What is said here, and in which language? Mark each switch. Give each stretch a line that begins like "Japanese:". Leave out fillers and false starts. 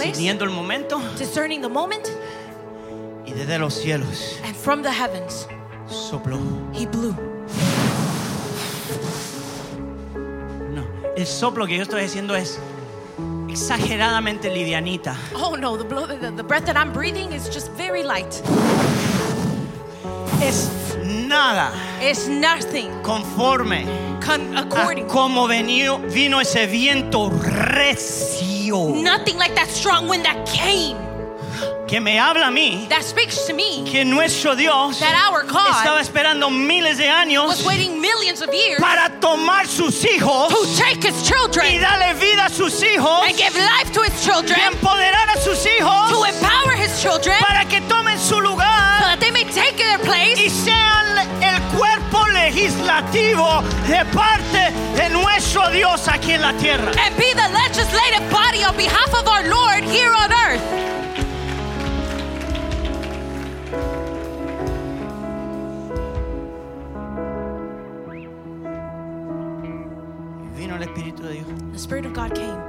Spanish: Discerniendo el momento.
English: Discerning the moment.
Spanish: Y desde los cielos.
English: And from the heavens.
Spanish: Sopló.
English: He blew.
Spanish: No, el soplo que yo estoy haciendo es exageradamente livianita.
English: Oh no, the breath that I'm breathing is just very light.
Spanish: Es nada.
English: It's nothing.
Spanish: Conforme.
English: According.
Spanish: Como vino ese viento recio.
English: Nothing like that strong wind that came.
Spanish: que me habla a mí,
English: that speaks to me,
Spanish: que nuestro Dios,
English: that our God,
Spanish: estaba esperando miles de años,
English: was waiting millions of years,
Spanish: para tomar sus hijos,
English: to take his children,
Spanish: y darle vida a sus hijos,
English: and give life to his children,
Spanish: y empoderar a sus hijos,
English: to empower his children,
Spanish: para que tomen su lugar,
English: so that they may take their place,
Spanish: y sean el cuerpo legislativo de parte de nuestro Dios aquí en la tierra,
English: and be the legislative body on behalf of our Lord here on earth.
Spanish: El Espíritu de Dios,
English: the Spirit of God came,